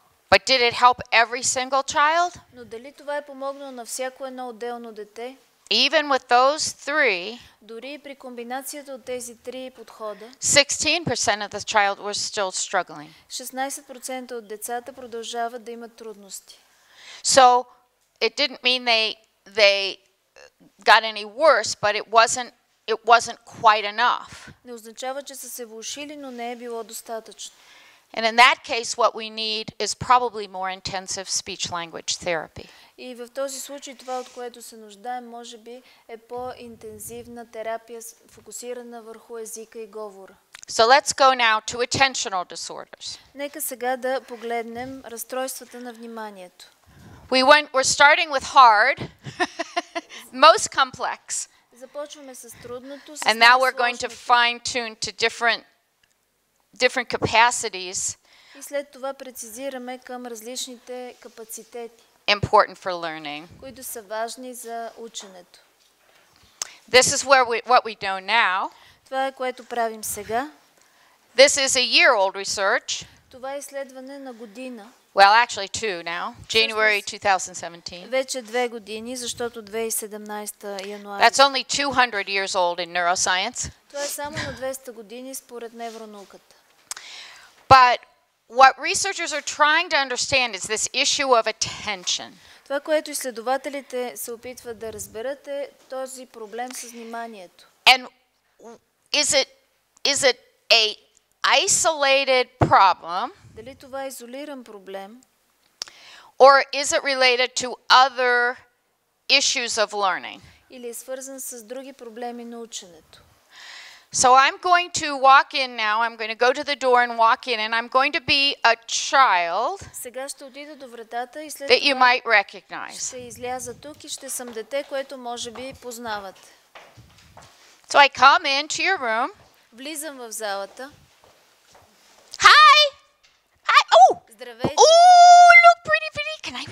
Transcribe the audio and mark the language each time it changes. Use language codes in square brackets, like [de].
[en] But did it help every single child? [bg] Но дали това е помогнало на всяко едно отделно дете? [en] Even with those three, [bg] дори при комбинацията от тези три подхода, [en] 16% of the child was still struggling. [bg] 16% от децата продължават да имат трудности. [en] So it didn't mean they got any worse, but it wasn't quite enough. [bg] Не означава, че са се влошили, но не е било достатъчно. [en] And in that case, what we need is probably more intensive speech-language therapy. [bg] И в този случай това, от което се нуждаем, може би е по-интензивна терапия, фокусирана върху езика и говора. [en] So let's go now to attentional disorders. [bg] Нека сега да погледнем разстройствата на вниманието. [en] We're starting with hard. Most complex. [bg] Започваме с трудното, с [en] And now we're going to fine-tune to different capacities. [bg] И след това прецизираме към различните капацитети. [en] Important for learning. [bg] Които са важни за ученето. [en] This is where what we know now. [bg] Това е, което правим сега. [en] This is a year old research. [bg] Това е изследване на година. [en] Well, actually two now. January 2017. [bg] Вече две години, защото 2017 януари. [en] That's only 200 years old in neuroscience. [bg] Това е само на 200 години според невронауката. [en] But what researchers are trying to understand is this issue of attention. [bg] Това, което изследователите се опитват да разберат, е този проблем с вниманието. [en] And is it a isolated problem? [bg] Дали това е изолиран проблем? [en] Or is it related to other issues of learning? [bg] Или е свързан с други проблеми на ученето? [en] So I'm going to walk in now. I'm going to go to the door and walk in, and I'm going to be a child. [bg] Сега ще отида до вратата и след това [en] you might recognize. [bg] Ще изляза тук и ще съм дете, което може би познавате. [en] So I come into your room. [bg] Влизам в залата. [en] Hi! Hi! Oh! [bg] Здравей. [en] Ooh, look pretty, pretty. Can I?